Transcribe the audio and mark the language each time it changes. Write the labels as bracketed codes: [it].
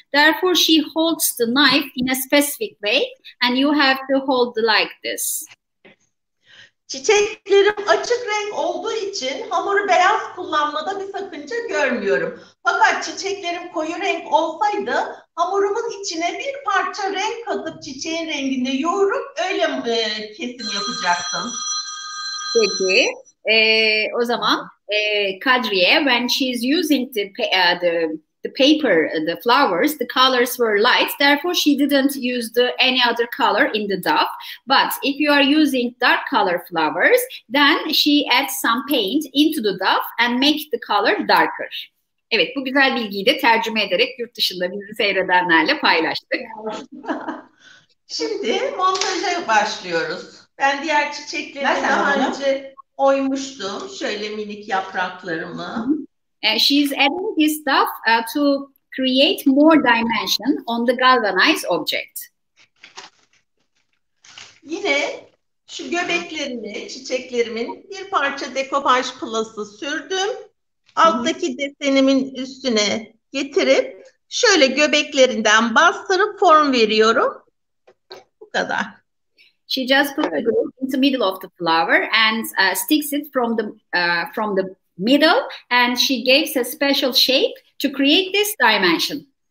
[en] Therefore, she holds the knife in a specific way, and you have to hold it like this. [tr] Çiçeklerim açık renk olduğu için hamuru beyaz kullanmada bir sakınca görmüyorum. Fakat çiçeklerim koyu renk olsaydı, hamurumun içine bir parça renk katıp çiçeğin renginde yoğurup öyle kesim yapacaktım. Peki, o zaman [en] Kadriye, when she's using the paper, the flowers, the colors were light, therefore she didn't use the any other color in the dough. But if you are using dark color flowers, then she adds some paint into the dough and make the color darker. [tr] Evet, bu güzel bilgiyi de tercüme ederek yurt dışında bizi seyredenlerle paylaştık. Şimdi montaja başlıyoruz. Ben diğer çiçekleri daha önce oymuştum. Şöyle minik yapraklarımı. [en] She's adding this stuff to create more dimension on the galvanized object. [tr] Yine şu göbeklerini, çiçeklerimin bir parça dekopaj plası sürdüm. Alttaki desenimin üstüne getirip şöyle göbeklerinden bastırıp form veriyorum. Bu kadar. [en] She just put the glue in the middle of the flower and sticks it from the middle and she gives a special shape to create this dimension.